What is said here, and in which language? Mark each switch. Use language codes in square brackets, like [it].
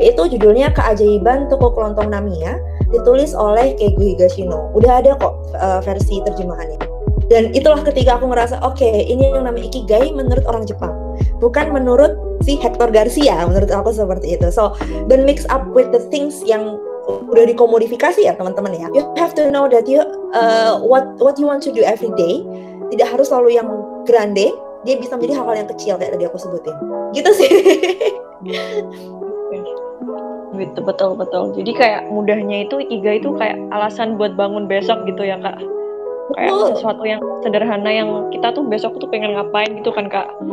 [id] Itu judulnya Keajaiban Toko Kelontong Namiya, ditulis oleh Keigo Higashino. Udah ada kok versi terjemahannya. Dan itulah ketika aku ngerasa, okay, ini yang namanya ikigai menurut orang Jepang. Bukan menurut si Hector Garcia, menurut aku seperti itu. [en] So, don't mix up with the things [id] yang udah dikomodifikasi ya teman-teman ya. [en] You have to know that you what you want to do every day. [id] Tidak harus selalu yang grande, dia bisa menjadi hal-hal yang kecil kayak tadi aku sebutin. Gitu sih. Betul-betul. Jadi kayak mudahnya itu ikigai itu kayak alasan buat bangun besok gitu ya kak. Kayak sesuatu yang sederhana yang kita tuh besok tuh pengen ngapain gitu kan kak.